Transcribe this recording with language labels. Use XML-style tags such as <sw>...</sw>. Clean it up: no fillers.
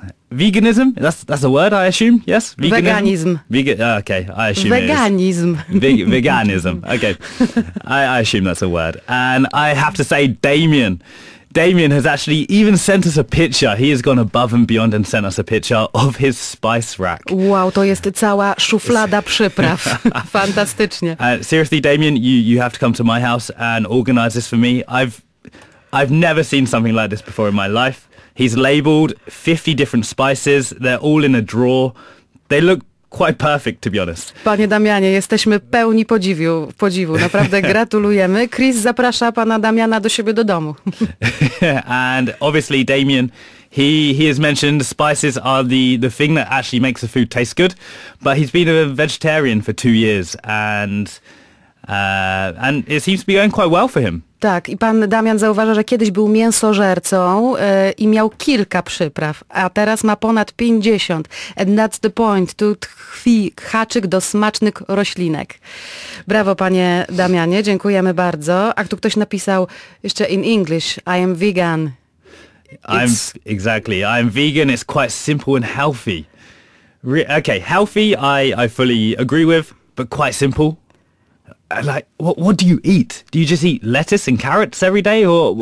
<en>Veganism? That's a word, I assume? Yes? Veganism? Veganism. Okay, I assume veganism. It is. Veganism. Veganism. Okay. I assume that's a word. And I have to say, Damien has actually even sent us a picture. He has gone above and beyond and sent us a picture of his spice rack.</en> <pl>Wow, to jest cała szuflada przypraw. Fantastycznie.</pl> <en>Seriously, Damien, you have to come to my house and organize this for me. I've never seen something like this before in my life. He's labeled 50 different spices. They're all in a drawer. They look quite perfect, to be honest.</en> <pl>Panie Damianie, jesteśmy pełni podziwu. Naprawdę gratulujemy. Chris zaprasza pana Damiana do siebie do domu.</pl> <en>And obviously, Damian, he has mentioned spices are the thing that actually makes the food taste good. But he's been a vegetarian for 2 years and it seems to be going quite well for him.</en> <pl>Tak, i pan Damian zauważa, że kiedyś był mięsożercą i miał kilka przypraw, a teraz ma ponad 50.</pl> <en>And that's the point.</en> <pl>Tu tkwi haczyk do smacznych roślinek. Brawo, panie Damianie, dziękujemy bardzo. A tu ktoś napisał jeszcze</pl> <en>in English, I am vegan. I'm vegan, it's quite simple and healthy. Okay, healthy I fully agree with, but quite simple. Like, what do you eat? Do you just eat lettuce and carrots every day, or</en>